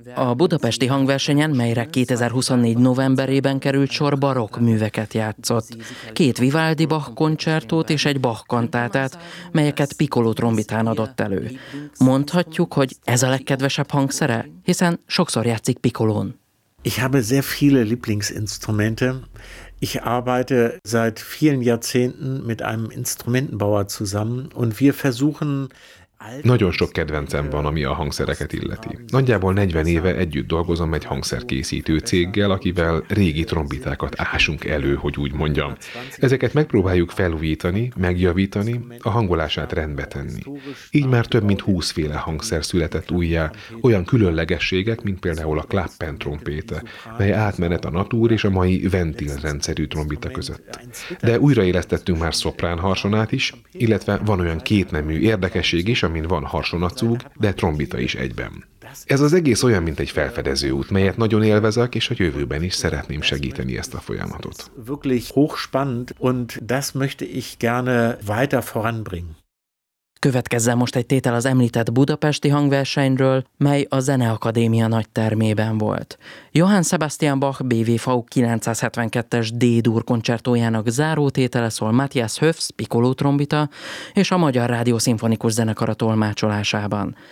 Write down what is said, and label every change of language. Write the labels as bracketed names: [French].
[Hungarian] A budapesti hangversenyen, melyre 2024 novemberében került sor, barokk műveket játszott. Két Vivaldi Bach koncertót és egy Bach kantátát, melyeket piccolo trombitán adott elő. Mondhatjuk, hogy ez a legkedvesebb hangszere, hiszen sokszor játszik piccolón. [German] Ich habe sehr viele Lieblingsinstrumente. Ich arbeite seit vielen Jahrzehnten mit einem Instrumentenbauer zusammen und wir versuchen. [Hungarian] Nagyon sok kedvencem van, ami a hangszereket illeti. Nagyjából 40 éve együtt dolgozom egy hangszerkészítő céggel, akivel régi trombitákat ásunk elő, hogy úgy mondjam. Ezeket megpróbáljuk felújítani, megjavítani, a hangolását rendbe tenni. Így már több mint 20 féle hangszer született újjá, olyan különlegességek, mint például a klappen trompéta, mely átmenet a natúr és a mai ventil rendszerű trombita között. De újraélesztettünk már szoprán harsonát is, illetve van olyan kétnemű érdekesség is, amin van harsonacúg, de trombita is egyben. Ez az egész olyan, mint egy felfedező út, melyet nagyon élvezek, és a jövőben is szeretném segíteni ezt a folyamatot. [German] Wirklich hochspannend, und das möchte ich gerne weiter voranbringen. [Hungarian] Következzen most egy tétel az említett budapesti hangversenyről, mely a Zeneakadémia nagy termében volt. Johann Sebastian Bach BWV 972-es D-dur koncertójának záró tétele szól Matthias Höfs piccolo trombita és a Magyar Rádió Szimfonikus Zenekara tolmácsolásában.